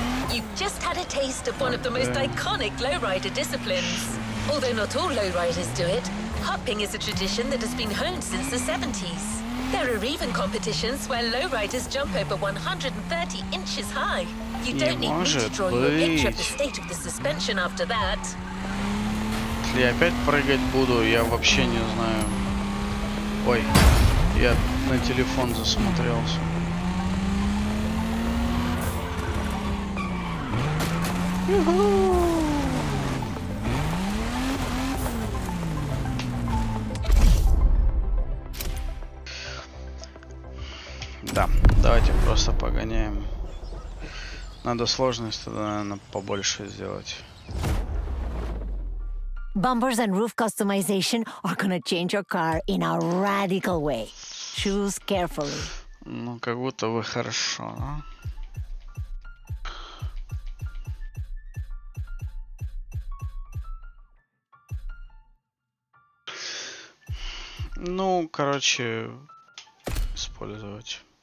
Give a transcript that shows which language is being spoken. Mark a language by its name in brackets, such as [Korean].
[English] You've just had a taste of one of the most iconic lowrider disciplines. Although not all lowriders do it, hopping is a tradition that has been honed since the 70s. There are even competitions where lowriders jump over 130 inches high. You don't need me to draw you a picture of the state of the suspension after that. [Russian] Если я опять прыгать буду, я вообще не знаю. Ой, я на телефон засмотрелся. Да, давайте просто погоняем. Надо сложность тогда, наверное, побольше сделать. [English] Bumpers and roof customization are gonna change your car in a radical way. Choose carefully. [Russian] Ну, как будто бы хорошо, да? Ну, короче, использовать.